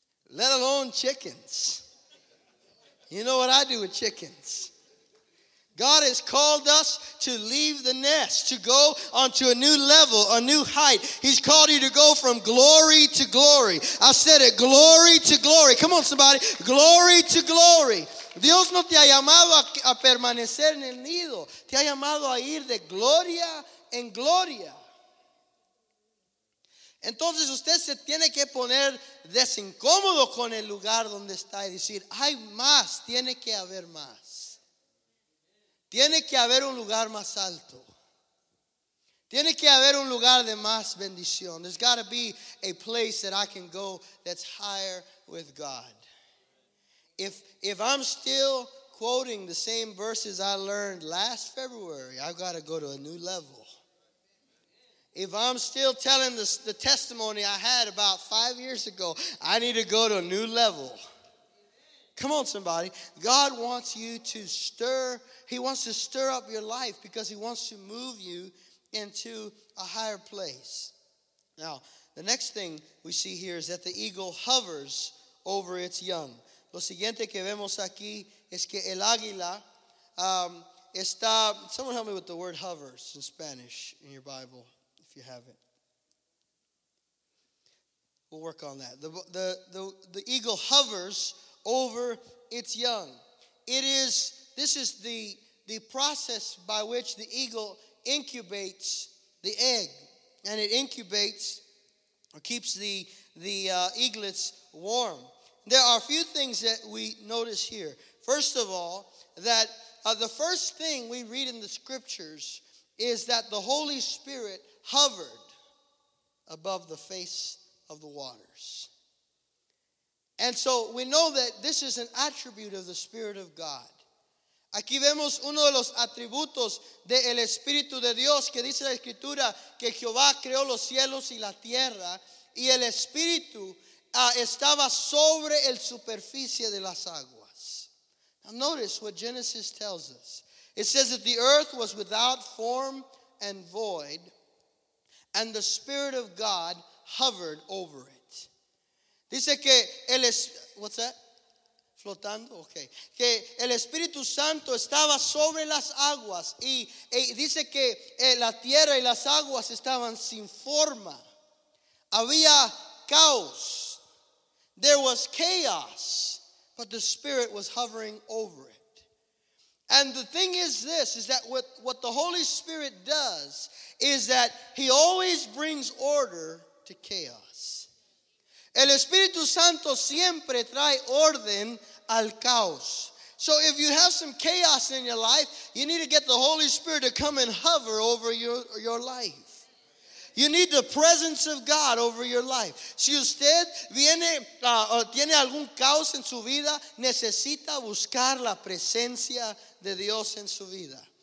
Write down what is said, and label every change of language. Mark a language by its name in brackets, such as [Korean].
[English] Let alone chickens. You know what I do with chickens. God has called us to leave the nest, to go onto a new level, a new height. He's called you to go from glory to glory. I said it, glory to glory. Come on, somebody. Glory to glory. [Spanish] Dios no te ha llamado a permanecer en el nido. Te ha llamado a ir de gloria en gloria. Entonces usted se tiene que poner desincómodo con el lugar donde está y decir, hay más, tiene que haber más. Tiene que haber un lugar más alto. Tiene que haber un lugar de más bendición. [English] There's got to be a place that I can go that's higher with God. If I'm still quoting the same verses I learned last February, I've got to go to a new level. If I'm still telling the testimony I had about 5 years ago, I need to go to a new level. Come on, somebody. God wants you to stir. He wants to stir up your life because he wants to move you into a higher place. Now, the next thing we see here is that the eagle hovers over its young. [Spanish] Lo siguiente que vemos aquí es que el águila está... [English] Someone help me with the word hovers in Spanish in your Bible. If you haven't, we'll work on that. The eagle hovers over its young. This is the process by which the eagle incubates the egg, and it incubates or keeps the eaglets warm. There are a few things that we notice here. First of all, that the first thing we read in the scriptures is that the Holy Spirit hovered above the face of the waters. And so we know that this is an attribute of the Spirit of God. [Spanish] Aquí vemos uno de los atributos del Espíritu de Dios, que dice la Escritura que Jehová creó los cielos y la tierra, y el Espíritu estaba sobre el superficie de las aguas. [English] Now notice what Genesis tells us. It says that the earth was without form and void, and the Spirit of God hovered over it. [Spanish] Dice que el [English] what's that? [Spanish] Flotando, okay. Que el Espíritu Santo estaba sobre las aguas. Y dice que la tierra y las aguas estaban sin forma. Había caos. [English] There was chaos. But the Spirit was hovering over it. And the thing is this, is that what the Holy Spirit does is that he always brings order to chaos. [Spanish] El Espíritu Santo siempre trae orden al caos. [English] So if you have some chaos in your life, you need to get the Holy Spirit to come and hover over your life. You need the presence of God over your life. [Spanish] Si usted viene o tiene algún caos en su vida, necesita buscar la presencia de Dios en su vida.